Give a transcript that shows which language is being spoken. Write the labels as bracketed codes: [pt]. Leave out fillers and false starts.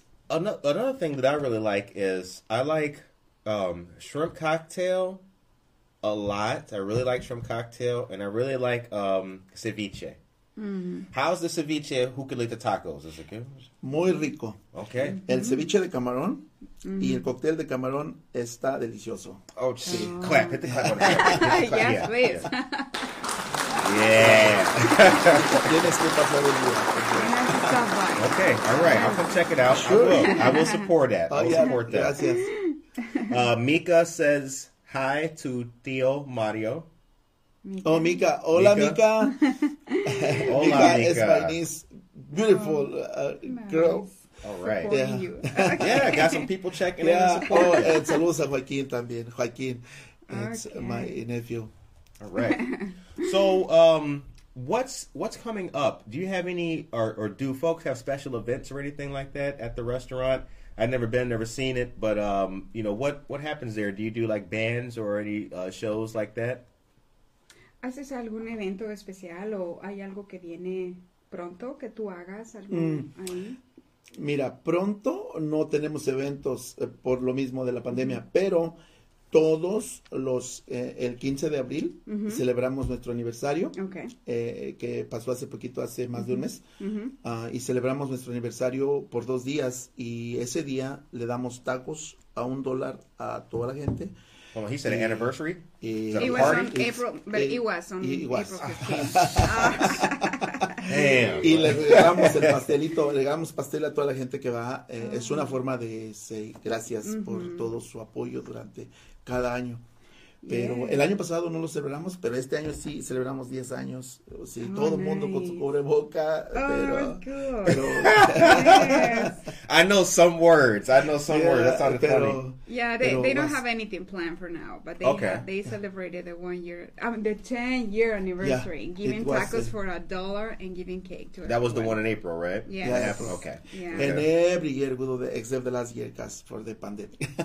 [en] Another thing that I really like is I like shrimp cocktail a lot. I really like shrimp cocktail, and I really like ceviche. Mm-hmm. How's the ceviche? Who could eat the tacos? Is it good? [es] Muy rico. [en] Okay. Mm-hmm. [es] El ceviche de camarón y el cóctel de camarón está delicioso. [en] Oh, sí. Oh. Clap. Hit the clap. Yes, yeah, please. Yeah. [es] Tienes que pasar el día. [en] Okay. All right. I'll come check it out. Sure. I will support that. Support that. [es] Gracias. [en] Mika says... Hi to Tio Mario. [es] Mika. Oh, Mika. Hola, Mika. Hola, Mika. [en] Mika is my niece. Beautiful girl. All right. Yeah. Yeah, got some people checking in. Oh, and [es] saludos a Joaquin también. [en] Joaquin, it's my nephew. All right. So, what's coming up? Do you have any, or do folks have special events or anything like that at the restaurant? I've never been, never seen it, but, you know, what happens there? Do you do, like, bands or any shows like that? [es] ¿Haces algún evento especial o hay algo que viene pronto que tú hagas algo ahí? Mira, pronto no tenemos eventos por lo mismo de la pandemia, pero todos los, el 15 de abril, celebramos nuestro aniversario, que pasó hace poquito, hace más de un mes, y celebramos nuestro aniversario por 2 días, y ese día le damos tacos a $1 a toda la gente. [en] Well, he said an anniversary? It was on April 15th. [es] Y le regalamos el pastelito, le regalamos pastel a toda la gente que va. Es una forma de decir gracias por todo su apoyo durante cada año. Pero el año pasado no lo celebramos, pero este año sí celebramos 10 años. Sí, todo el mundo con su cubreboca, pero [en] I know some words. I know some words. That sounded funny. Yeah, they don't have anything planned for now, but they celebrated the 1 year, the 10 year anniversary, giving tacos for $1 and giving cake to. That was the one in April, right? Yes. And every year we do the except the last year, cause for the pandemic.